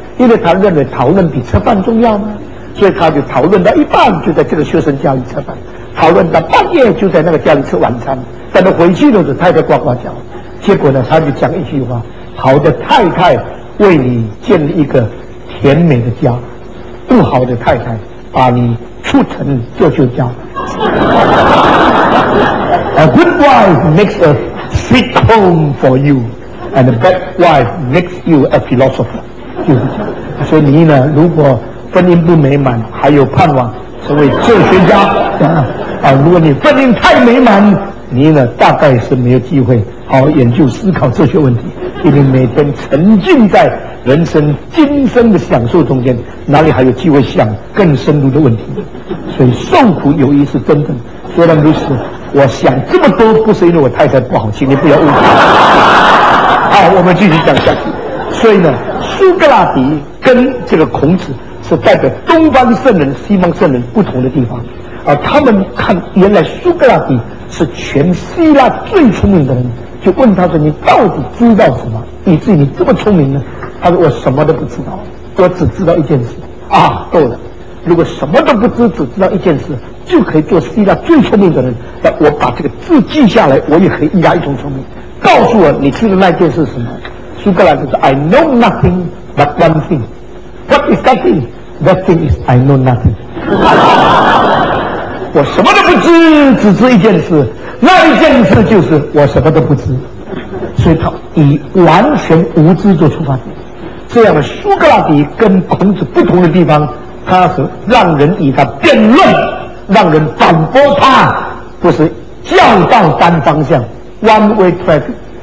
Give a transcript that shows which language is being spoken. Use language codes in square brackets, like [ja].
[zh] 因为他认为讨论比吃饭重要吗？所以他就讨论到一半就在这个学生家里吃饭，讨论到半夜就在那个家里吃晚餐，等他回去的时候太太呱呱叫。结果呢他就讲一句话，好的太太为你建立一个甜美的家，不好的太太把你出城做旧家。 [en] A good wife makes a sick home for you, and a bad wife makes you a philosopher. [zh] 就是这样。所以你呢如果婚姻不美满还有盼望成为哲学家，如果你婚姻太美满，你呢大概是没有机会好研究思考这些问题，因为每天沉浸在人生今生的享受中间，哪里还有机会想更深入的问题。所以受苦有益是真的。虽然如此，我想这么多不是因为我太太不好，请你不要误会。好，我们继续讲下去。所以呢苏格拉底跟这个孔子是代表东方圣人西方圣人不同的地方，而他们看原来苏格拉底是全希腊最聪明的人，就问他说你到底知道什么以至于你这么聪明呢？他说我什么都不知道，我只知道一件事啊，够了，如果什么都不知只知道一件事就可以做希腊最聪明的人，那我把这个字记下来我也可以一家一同聪明，告诉我你知道那件事是什么。苏格拉底说 [en] I know nothing but one thing, what is that thing? That thing is I know nothing. [zh] 我什么都不知只知一件事，那一件事就是我什么都不知。所以他以完全无知做出发点，这样的苏格拉底跟孔子不同的地方，他是让人以他辩论，让人反驳他，不是教导单方向 [en] one way traffic。